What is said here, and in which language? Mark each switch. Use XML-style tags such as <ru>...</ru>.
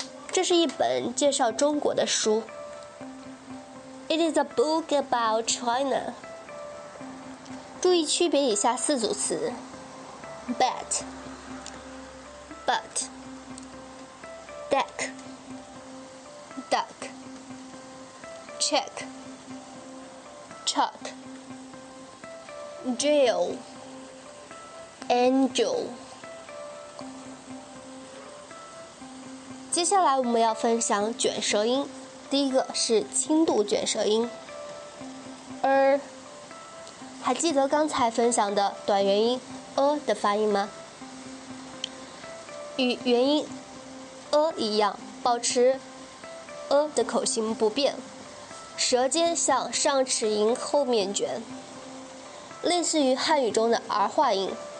<zh>这是一本介绍中国的书。</zh> <en>It is a book about China.</en> <zh>注意区别以下四组词</zh> <en>bat but deck duck check chuck jail angel。</en> <zh>接下来我们要分享卷舌音，第一个是轻度卷舌音 er。还记得刚才分享的短元音 a 的发音吗？与元音 a 一样，保持 a 的口型不变，舌尖向上齿龈后面卷，类似于汉语中的儿化音。</zh>